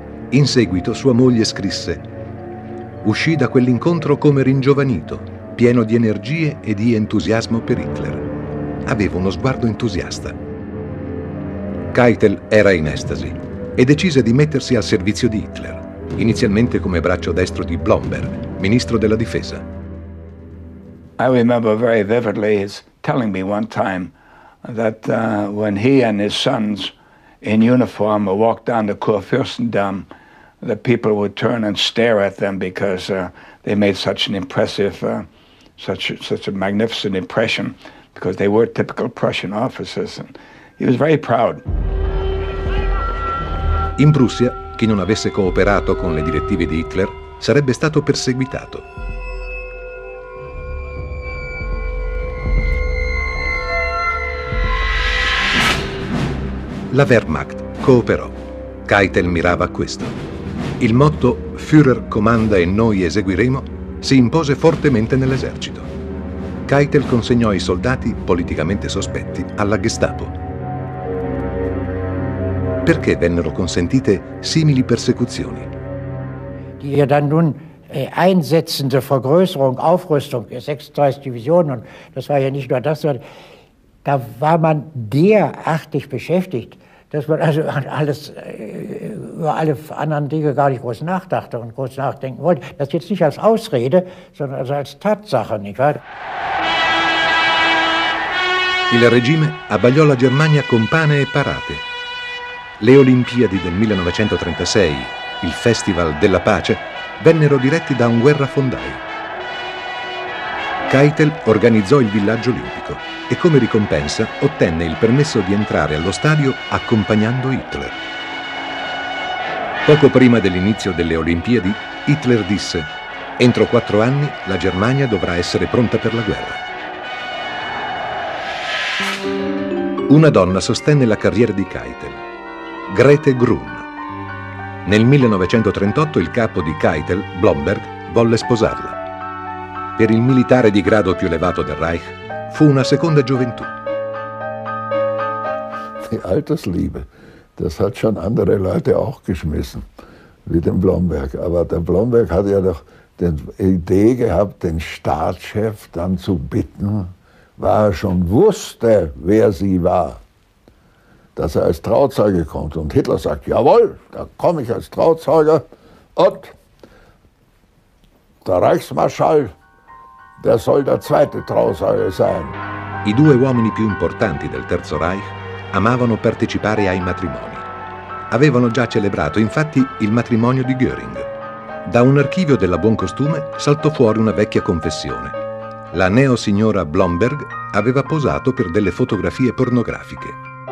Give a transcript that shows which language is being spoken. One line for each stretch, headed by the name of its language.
Italian: In seguito sua moglie scrisse: «Uscì da quell'incontro come ringiovanito, pieno di energie e di entusiasmo per Hitler. Aveva uno sguardo entusiasta». Keitel era in estasi e decise di mettersi al servizio di Hitler, inizialmente come braccio destro di Blomberg, ministro della difesa.
English: I remember very vividly his telling me one time that when he and his sons in uniform walked down the Kurfürstendamm, the people would turn and stare at them because they made such an impressive such a magnificent impression, because they were typical Prussian officers, and he was very proud.
Italian: In Prussia, chi non avesse cooperato con le direttive di Hitler sarebbe stato perseguitato. La Wehrmacht cooperò. Keitel mirava a questo. Il motto «Führer comanda e noi eseguiremo» si impose fortemente nell'esercito. Keitel consegnò i soldati, politicamente sospetti, alla Gestapo. Perché vennero consentite simili persecuzioni?
German: Die ja dann nun einsetzende Vergrößerung, Aufrüstung, 36 Divisionen, und das war ja nicht nur das, sondern da war man derartig beschäftigt, dass man also alles, über alle anderen Dinge gar nicht groß nachdachte und groß nachdenken wollte. Das jetzt nicht als Ausrede, sondern also als Tatsache, nicht wahr?
Italian: Il regime abbagliò la Germania con pane e parate. Le Olimpiadi del 1936, il Festival della Pace, vennero diretti da un guerrafondaio. Keitel organizzò il villaggio olimpico e come ricompensa ottenne il permesso di entrare allo stadio accompagnando Hitler. Poco prima dell'inizio delle Olimpiadi, Hitler disse: «Entro 4 anni la Germania dovrà essere pronta per la guerra». Una donna sostenne la carriera di Keitel, Grete Grun. Nel 1938 il capo di Keitel, Blomberg, volle sposarla. Per il militare di grado più elevato del Reich fu una seconda gioventù.
German: Die Altersliebe, das hat schon andere Leute auch geschmissen, wie den Blomberg. Aber der Blomberg hat ja doch die Idee gehabt, den Staatschef dann zu bitten, weil er schon wusste, wer sie war, dass er als Trauzeuge kommt. Und Hitler sagt, jawohl, da komme ich als Trauzeuger. Und der Reichsmarschall, der soll der zweite Trauzeuge sein.
Italian: I due uomini più importanti del Terzo Reich amavano partecipare ai matrimoni. Avevano già celebrato, infatti, il matrimonio di Göring. Da un archivio della Buon Costume saltò fuori una vecchia confessione. La neo signora Blomberg aveva posato per delle fotografie pornografiche.